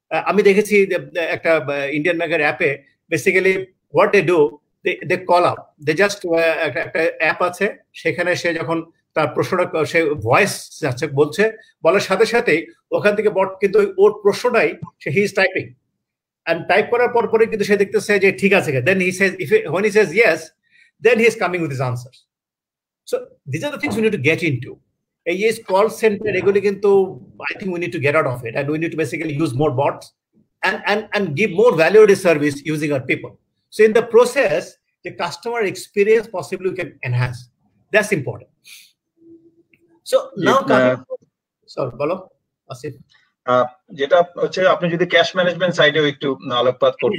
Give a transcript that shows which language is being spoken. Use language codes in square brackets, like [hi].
[bn] আমি দেখেছি একটা ইন্ডিয়ান ব্যাংকের অ্যাপে [en] basically what they do they call out, [bn] they just একটা অ্যাপ আছে সেখানে সে যখন তার প্রশ্নটা সে ভয়েস যাচ্ছে বলছে, বলার সাথে সাথেই ওখান থেকে বট কিন্তু ওর প্রশ্নটাই সে [en] he is typing and type [bn] করার পর পরে কিন্তু সে দেখতেছে যে ঠিক আছে, [en] then he says if when he says yes then he is coming with his answers. So these are the things we need to get into. AI's call center [bn] এগুলো কিন্তু [en] I think we need to get out of it and we need to basically use more bots and give more valued service using our people. So in the process the customer experience possibly we can enhance, that's important. So now sorry [bn] bolo [en] Asif [bn] যেটা হচ্ছে আপনি যদি cash management সাইডেও একটু আলোকপাত